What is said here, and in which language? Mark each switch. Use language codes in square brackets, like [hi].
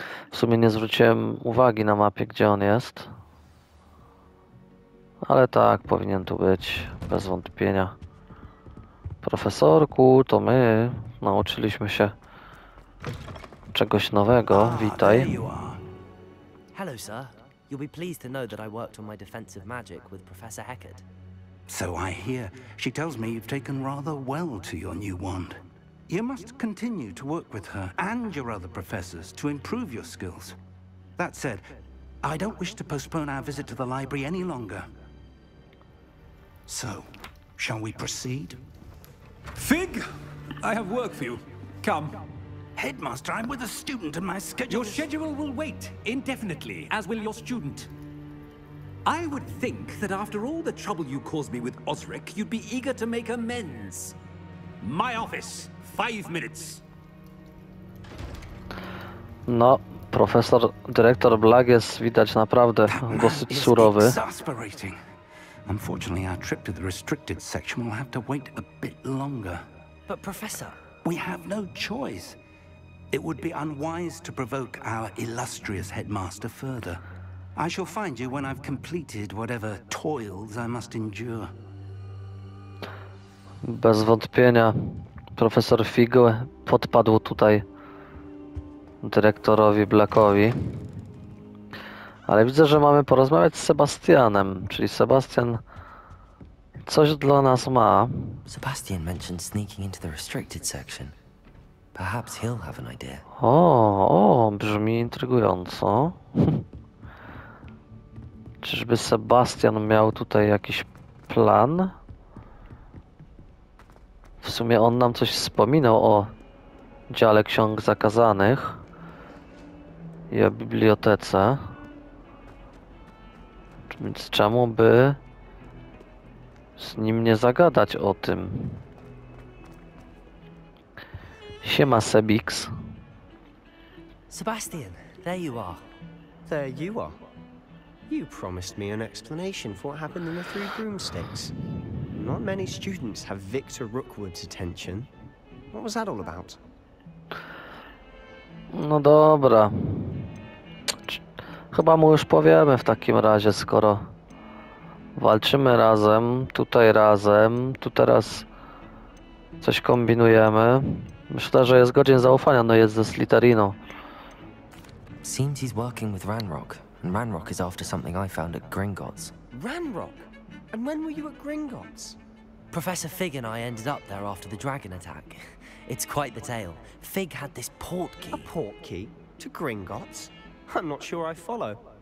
[pl] W sumie nie zwróciłem uwagi na mapie, gdzie on jest. Ale tak, powinien tu być, bez wątpienia. Profesorku, to my nauczyliśmy się czegoś nowego. Witaj. [en] Hello, sir. You'll be pleased to know that I worked on my defensive magic with Professor Hecate. So I hear. She tells me you've taken rather well to your new wand. You must continue to work with her and your other professors to improve your skills. That said, I don't wish to postpone our visit to the library any longer. So, shall we proceed? Fig, I have work for you. Come. Headmaster, I'm with a student and my schedule. Your schedule will wait indefinitely, as will your student. I would think that after all the trouble you caused me with Osric, you'd be eager to make amends. My office, 5 minutes. [pl] No, profesor, dyrektor Black jest, widać, naprawdę dosyć surowy. [en] Unfortunately, our trip to the restricted section will have to wait a bit longer. But Professor, we have no choice. It would be unwise to provoke our illustrious headmaster further. I shall find you when I've completed whatever toils I must endure. [pl] Bez wątpienia profesor Fig podpadł tutaj dyrektorowi Blackowi. Ale widzę, że mamy porozmawiać z Sebastianem, czyli Sebastian coś dla nas ma. [en] Sebastian mentioned sneaking into the restricted section. Perhaps he'll have an idea. [pl] O, brzmi intrygująco. Czyżby Sebastian miał tutaj jakiś plan? W sumie on nam coś wspominał o dziale ksiąg zakazanych i o bibliotece. Więc czemu by z nim nie zagadać o tym? Siema, Sebix. [en] Sebastian, there you are. There you are. You promised me an explanation for what happened in the Three Broomsticks. Not many students have Victor Rookwood's attention. What was that all about? [pl] No dobra. Chyba mu już powiemy w takim razie, skoro walczymy razem, tutaj razem, tu teraz coś kombinujemy. Myślę, że jest godzin zaufania, no jest ze Slytherinu. [en] Seems he's working with Ranrok, and Ranrok is after something I found at Gringotts. Ranrok? And when were you at Gringotts? Professor Fig and I ended up there after the dragon attack. It's quite the tale. Fig had this portkey. A portkey? To Gringotts? I'm not sure I follow.